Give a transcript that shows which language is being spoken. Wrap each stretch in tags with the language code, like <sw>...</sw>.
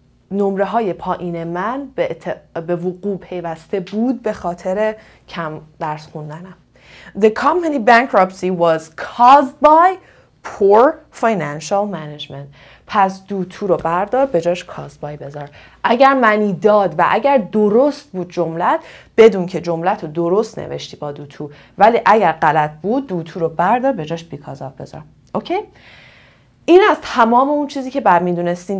<fa>نمره های پایین من به وقوع پیوسته بود به خاطر کم درس خوندنم.</fa> <en>The company bankruptcy was caused by poor financial management.</en> <fa>پس دو تو رو بردار، به جاش caused by بذار. اگر معنی داد و اگر درست بود جملت، بدون که جملت رو درست نوشتی با دو تو، ولی اگر غلط بود دو تو رو بردار، به جاش because of بذار. اوکی؟ این از تمام اون چیزی که بعد میدونستین.</fa>